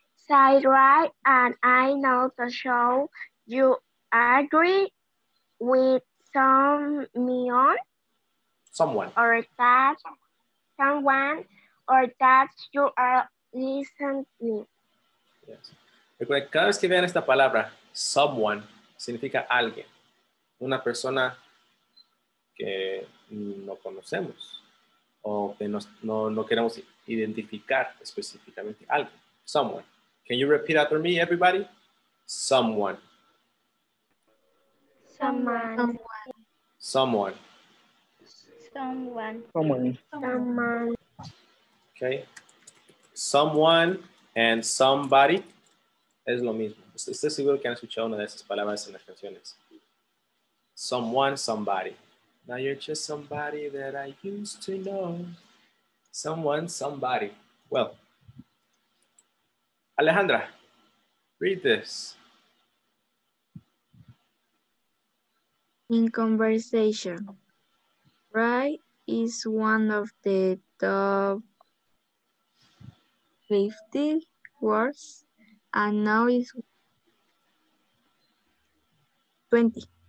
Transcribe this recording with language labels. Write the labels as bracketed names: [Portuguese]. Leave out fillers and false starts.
[English] Say right, and I know to show you agree with someone, or that you are listening. Yes. [Spanish] Recuerda, cada vez que vean esta palabra, someone, significa alguien, una persona que no conocemos o que no queremos identificar específicamente algo. [English] Someone. Can you repeat after me, everybody? Someone. Someone. Someone. Someone. Someone. [Spanish] Okay. Someone and somebody es lo mismo. Estoy seguro que han escuchado una de esas palabras en las canciones. [English] Someone, somebody. Now you're just somebody that I used to know. Someone, somebody. Well, Alejandra, read this. In conversation, right is one of the top 50 words, and now is 20.